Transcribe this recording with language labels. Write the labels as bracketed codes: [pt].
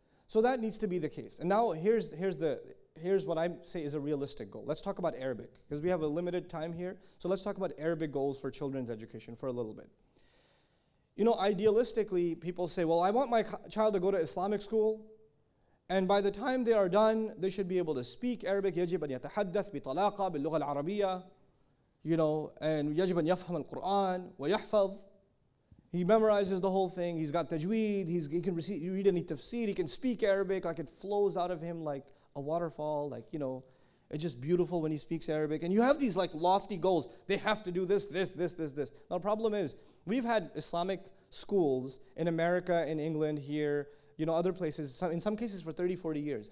[en] So that needs to be the case. And now, here's what I say is a realistic goal. Let's talk about Arabic, because we have a limited time here. So let's talk about Arabic goals for children's education for a little bit. You know, idealistically, people say, well, I want my child to go to Islamic school, and by the time they are done, they should be able to speak Arabic. [ar] يجب أن يتحدث بطلاقة باللغة العربية, [en] you know, and [ar] يجب أن يفهم القرآن ويحفظ. [en] He memorizes the whole thing. He's got tajweed. He can read any tafsir. He can speak Arabic. Like, it flows out of him like a waterfall. Like, you know, it's just beautiful when he speaks Arabic. And you have these, like, lofty goals. They have to do this, this, this, this, this. Now, the problem is, we've had Islamic schools in America, in England, here, you know, other places, in some cases for 30, 40 years.